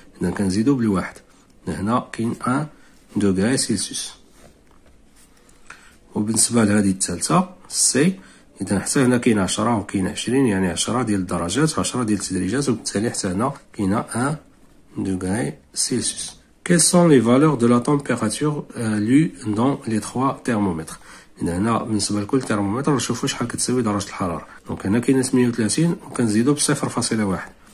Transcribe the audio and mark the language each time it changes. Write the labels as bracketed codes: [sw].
[ar] اذا كنزيدو بالواحد هنا كاين 1 [fr] دوغري سيلسيوس. [ar] وبالنسبه لهذه الثالثه سي اذا حتى هنا كاين 10 وكاين 20 يعني 10 ديال الدرجات 10 ديال التدريجات وبالتالي حتى هنا كاين 1 دوغري سيلسيوس. [fr] Quelles sont les valeurs de la température lue dans les trois thermomètres? [ar] إذا هنا بالنسبة لكل ترمومتر نشوفو شحال كتساوي درجة الحرارة. دونك هنا كاينة 38 وكنزيدو بصفر فاصلة واحد.